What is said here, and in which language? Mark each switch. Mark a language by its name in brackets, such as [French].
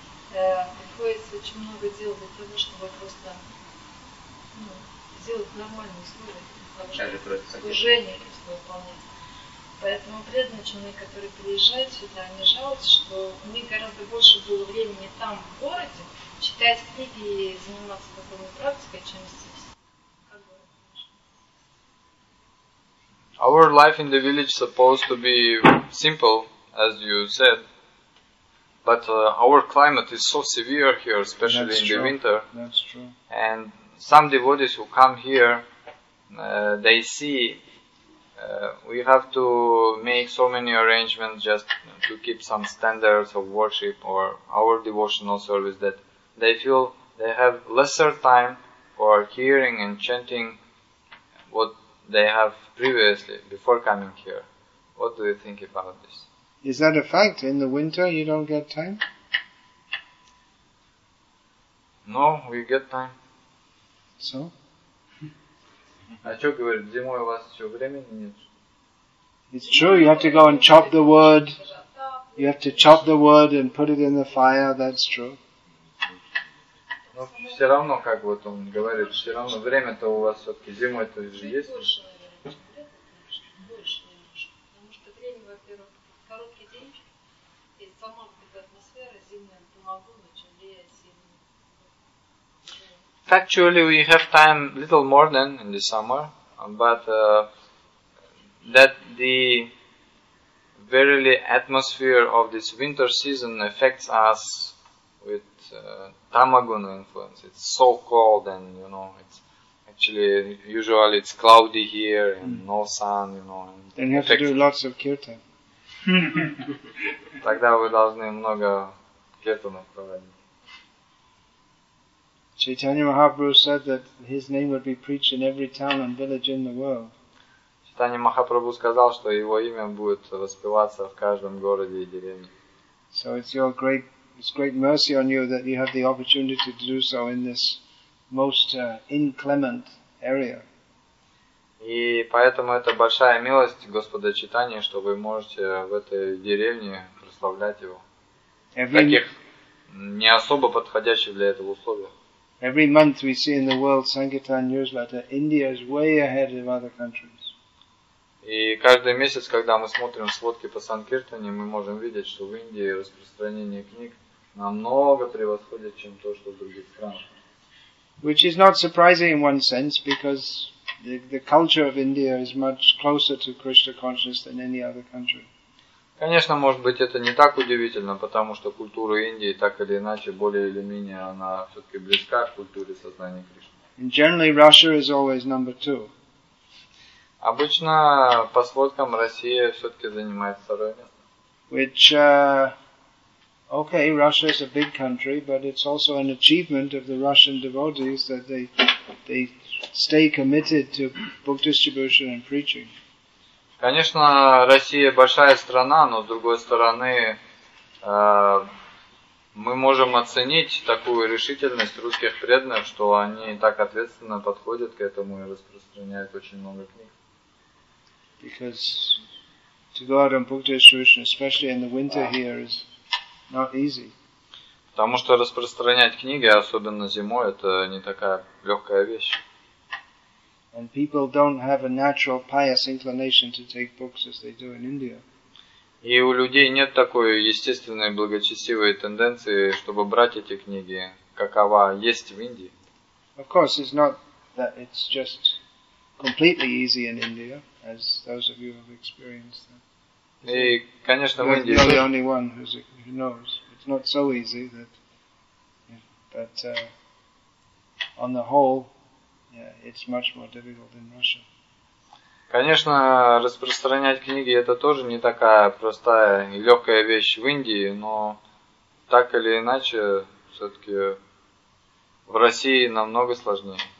[Russian] Приходится очень много дел для того, чтобы просто сделать нормальные условия, служение просто выполнять. Поэтому предначальные, которые приезжают сюда, они жалуются, что у них гораздо больше было времени там, в городе, читать книги и заниматься духовной практикой, чем здесь. [English] Our life in the village supposed to be simple, as you said, but our climate is so severe here, especially That's in true. The winter. That's true. And some devotees who come here, they see we have to make so many arrangements just to keep some standards of worship or our devotional service that they feel they have lesser time for hearing and chanting what they have previously, before coming here. What do you think about this? Is that a fact? In the winter you don't get time? No, we get time. So? [Russian] А что говорит, зимой у вас еще времени нет? [English] It's true, you have to go and chop the wood. You have to chop the wood and put it in the fire, that's true. [Russian] Но все равно, как вот он говорит, все равно время-то у вас все-таки зимой-то же есть. Больше, наверное, больше немножко. Потому что время, во-первых, короткий день, и сама атмосфера зимняя помогла, чем влияет зимой. [English] Actually, we have time little more than in the summer, but that the very atmosphere of this winter season affects us with tamaguna influence. It's so cold and, you know, it's actually, usually it's cloudy here and no sun, you know. And then you have to do lots of kirtan. [Russian] Тогда вы должны много кертанов проводить. [English] Chaitanya Mahaprabhu said that his name would be preached in every town and village in the world. [Russian] Chaitanya Mahaprabhu сказал, что его имя будет воспеваться в каждом городе и деревне. [English] So it's great mercy on you that you have the opportunity to do so in this most inclement area. [Russian] И поэтому это большая милость Господа Чайтаньи, что вы можете в этой деревне прославлять его. В таких не особо подходящих для этого условиях. [English] Every month we see in the World Sankirtan newsletter, India is way ahead of other countries. [Russian] И каждый месяц, когда мы смотрим сводки по Санкиртане, мы можем видеть, что в Индии распространение книг намного превосходит, чем то, что в других странах. [English] Which is not surprising in one sense, because the culture of India is much closer to Krishna consciousness than any other country. [Russian] Конечно, может быть, это не так удивительно, потому что культура Индии, так или иначе, более или менее, она все-таки близка к культуре сознания Кришны. [English] And generally, Russia is always number two. [Russian] Обычно, по сводкам, Россия все-таки занимает второе место. [English] Which, Russia is a big country, but it's also an achievement of the Russian devotees that they stay committed to book distribution and preaching. [Russian] Конечно, Россия большая страна, но с другой стороны, мы можем оценить такую решительность русских преданных, что они так ответственно подходят к этому и распространяют очень много книг. [English] Because to go out on book distribution, especially in the winter here, is not easy. [Russian] Потому что распространять книги, особенно зимой, это не такая легкая вещь. [English] And people don't have a natural pious inclination to take books as they do in India. [Russian] И у людей нет такой естественной благочестивой тенденции, чтобы брать эти книги, какова есть в Индии. [English] Of course, it's not that it's just completely easy in India, as those of you have experienced. That. [Russian] И, конечно, в Индии. [English] You're the only one who knows. It's not so easy that, but on the whole. Yeah, it's much more difficult than Russia. [Russian] Конечно, распространять книги это тоже не такая простая и легкая вещь в Индии, но так или иначе, все-таки в России намного сложнее.